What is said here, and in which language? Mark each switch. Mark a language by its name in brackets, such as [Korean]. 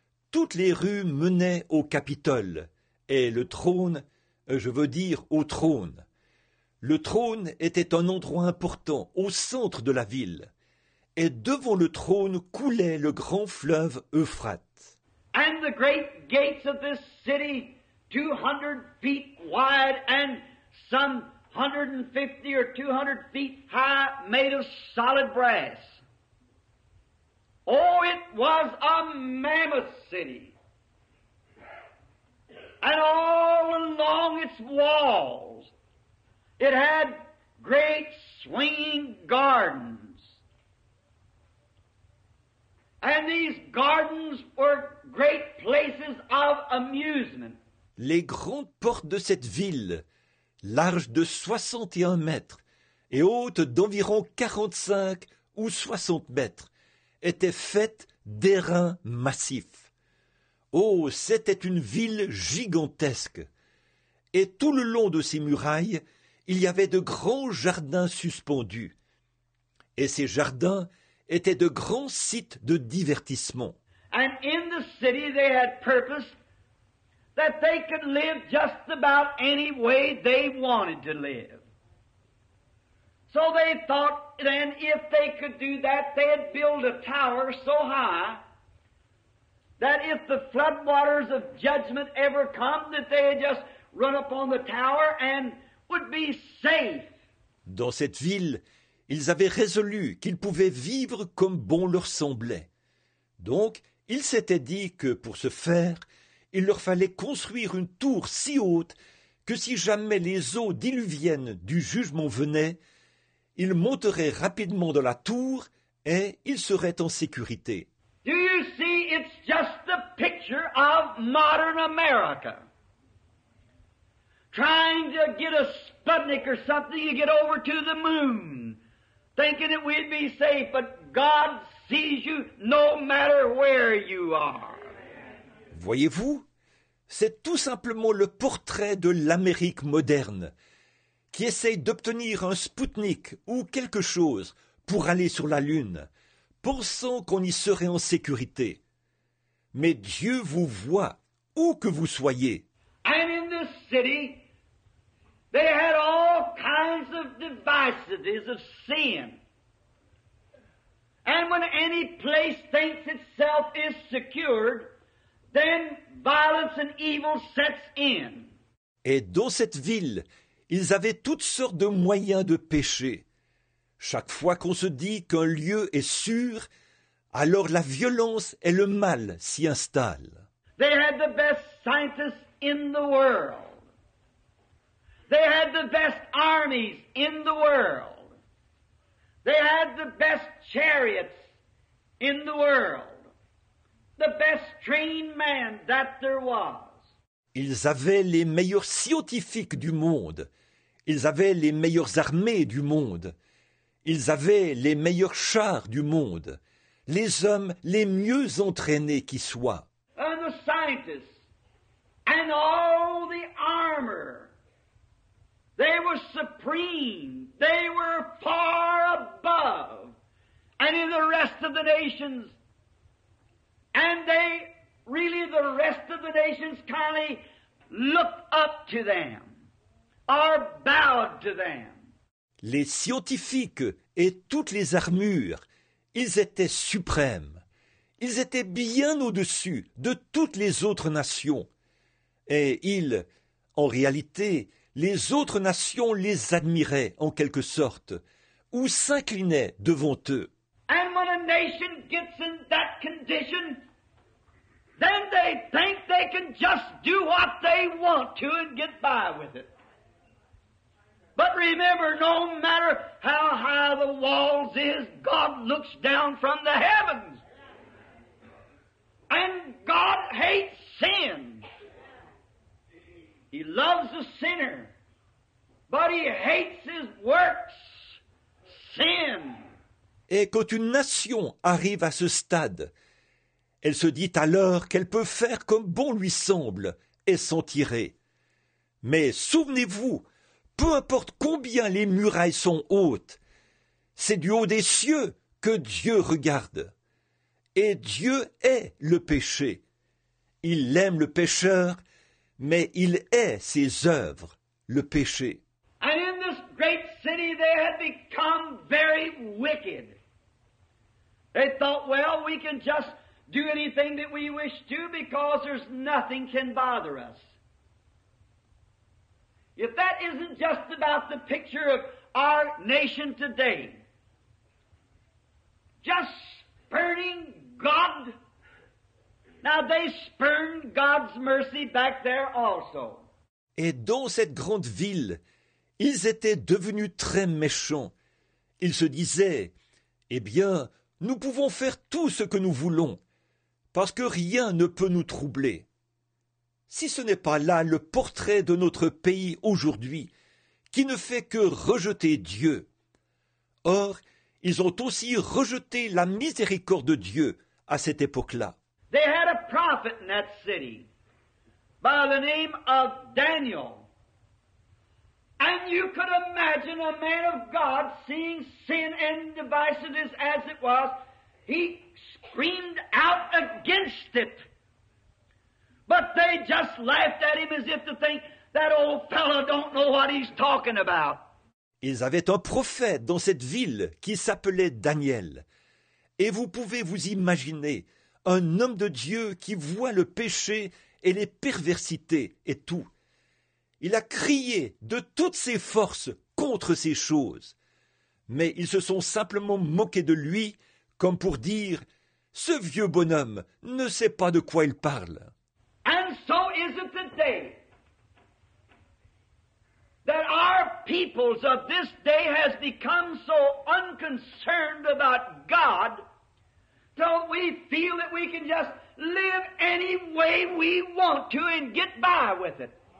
[French] Toutes les rues menaient au Capitole, et le trône, je veux dire au trône. Le trône était un endroit important au centre de la ville, et devant le trône coulait le grand fleuve Euphrate. [English] And the great gates of this city, 200 feet wide and some 150 or 200 feet high, made of solid brass. Oh, it was a mammoth city. And all along its walls, it had great swinging gardens. And these gardens were great places of amusement. [French] Les grandes portes de cette ville, larges de 61 mètres et hautes d'environ 45 ou 60 mètres, étaient faites d'airain massif. Oh, c'était une ville gigantesque. Et tout le long de ces murailles, il y avait de grands jardins suspendus. Et ces jardins étaient de grands sites de divertissement. [English] And in the city they had purpose that they could live just about any way they wanted to live. So they thought then if they could do that, they'd build a tower so high that if the floodwaters of judgment ever come, that they'd just run up on the tower and would be safe. [French] Dans cette ville, ils avaient résolu qu'ils pouvaient vivre comme bon leur semblait. Donc, ils s'étaient dit que pour ce faire, il leur fallait construire une tour si haute que si jamais les eaux diluviennes du jugement venaient, ils monteraient rapidement dans la tour et ils seraient en sécurité. [English] Do you see, it's just the picture of modern America. Trying to get a Sputnik or something to get over to the moon, thinking that we'd be safe, but God sees you no matter where you are. [French] Voyez-vous, c'est tout simplement le portrait de l'Amérique moderne qui essaye d'obtenir un Spoutnik ou quelque chose pour aller sur la Lune, pensant qu'on y serait en sécurité. Mais Dieu vous voit, où que vous soyez. [English] And in this city, they had all kinds of devices of sin. And when any place thinks itself is secured, then violence and evil sets in. [French] Et dans cette ville, ils avaient toutes sortes de moyens de péché. Chaque fois qu'on se dit qu'un lieu est sûr, alors la violence et le mal s'y installent. [English] They had the best scientists in the world. They had the best armies in the world. They had the best chariots in the world. The best trained man that there was. [French] Ils avaient les meilleurs scientifiques du monde. Ils avaient les meilleures armées du monde. Ils avaient les meilleurs chars du monde, les hommes les mieux entraînés qui soient. [English] And the scientists and all the armor, they were supreme, they were far above, and in the rest of the nations, and they, really the rest of the nations kindly looked up to them, or bowed to them. [French] Les scientifiques et toutes les armures, ils étaient suprêmes. Ils étaient bien au-dessus de toutes les autres nations. Et ils, en réalité, les autres nations les admiraient en quelque sorte, ou s'inclinaient devant eux. [English] And when a nation gets in that condition, then they think they can just do what they want to and get by with it. But remember, no matter how high the walls is, God looks down from the heavens. And God hates sin. He loves the sinner, but he hates his works, sin. [French] Et quand une nation arrive à ce stade, elle se dit alors qu'elle peut faire comme bon lui semble et s'en tirer. Mais souvenez-vous, peu importe combien les murailles sont hautes, c'est du haut des cieux que Dieu regarde. Et Dieu hait le péché. Il aime le pécheur, mais il hait ses œuvres, le péché. [English] And in this great city they had become very wicked. They thought, well, we can just do anything that we wish to because there's nothing can bother us. If that isn't just about the picture of our nation today, just spurning God. Now they spurned God's mercy back there also. [French] Et dans cette grande ville, ils étaient devenus très méchants. Ils se disaient, eh bien, nous pouvons faire tout ce que nous voulons, parce que rien ne peut nous troubler. Si ce n'est pas là le portrait de notre pays aujourd'hui, qui ne fait que rejeter Dieu. Or, ils ont aussi rejeté la miséricorde de Dieu à cette époque-là. [English] They had a prophet in that city by the name of Daniel. And you could imagine a man of God seeing sin and divisiveness as it was, he screamed out against it. But they just laughed at him as if to think, that old fellow don't know what he's talking about. [French] Ils avaient un prophète dans cette ville qui s'appelait Daniel. Et vous pouvez vous imaginer un homme de Dieu qui voit le péché et les perversités et tout. Il a crié de toutes ses forces contre ces choses. Mais ils se sont simplement moqués de lui comme pour dire, ce vieux bonhomme ne sait pas de quoi il parle. [English] And so is it today that our peoples of this day has become so unconcerned about God, don't we feel that we can just live any way we want to and get by with it?